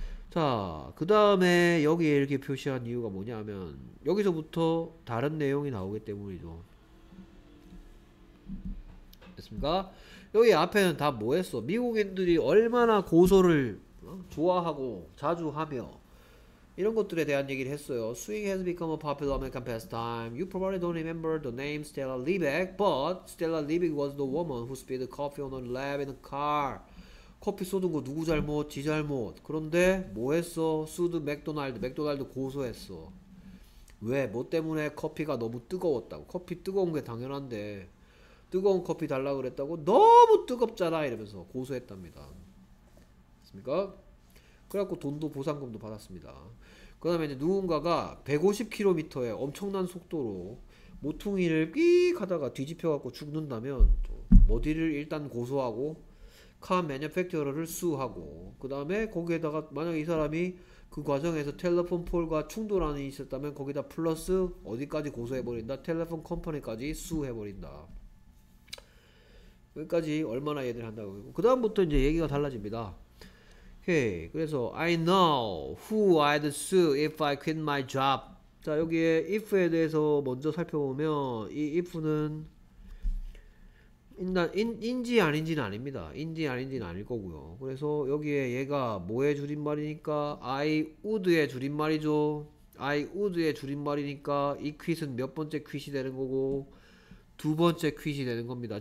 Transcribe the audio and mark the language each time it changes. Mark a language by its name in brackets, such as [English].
[Korean] 자, 그 다음에 여기에 이렇게 표시한 이유가 뭐냐면, 여기서부터 다른 내용이 나오기 때문이죠. 됐습니까? 여기 앞에는 다 뭐했어? 미국인들이 얼마나 고소를 좋아하고 자주 하며 이런 것들에 대한 얘기를 했어요. [English] Swing has become a popular American pastime. You probably don't remember the name Stella Liebig, but Stella Liebig was the woman who spilled coffee on her lap in the car [Korean] 커피 쏟은 거 누구 잘못? 지 잘못. 그런데 뭐 했어? 수드 맥도날드. 맥도날드 고소했어. 왜? 뭐 때문에 커피가 너무 뜨거웠다고. 커피 뜨거운 게 당연한데. 뜨거운 커피 달라고 그랬다고? 너무 뜨겁잖아. 이러면서 고소했답니다. 맞습니까? 그래갖고 돈도 보상금도 받았습니다. 그 다음에 이제 누군가가 150km의 엄청난 속도로 모퉁이를 삐익 하다가 뒤집혀갖고 죽는다면 어디를 일단 고소하고 카 매뉴팩처러를 수하고 그 다음에 거기에다가 만약에 이 사람이 그 과정에서 텔레폰 폴과 충돌안이 있었다면 거기다 플러스 어디까지 고소해버린다? 텔레폰 컴퍼니까지 수해버린다. 여기까지 얼마나 얘들 한다고. 그 다음부터 이제 얘기가 달라집니다. 오케이. [English] 그래서 I know who I'd sue if I quit my job. [Korean] 자, 여기에 if에 대해서 먼저 살펴보면 이 if는 인지 아닌지는 아닙니다. 인지 아닌지는 아닐 거고요. 그래서 여기에 얘가 뭐의 줄임말이니까 I would의 줄임말이죠. I would의 줄임말이니까 이 퀵은 몇 번째 퀵이 되는 거고 두 번째 퀵이 되는 겁니다.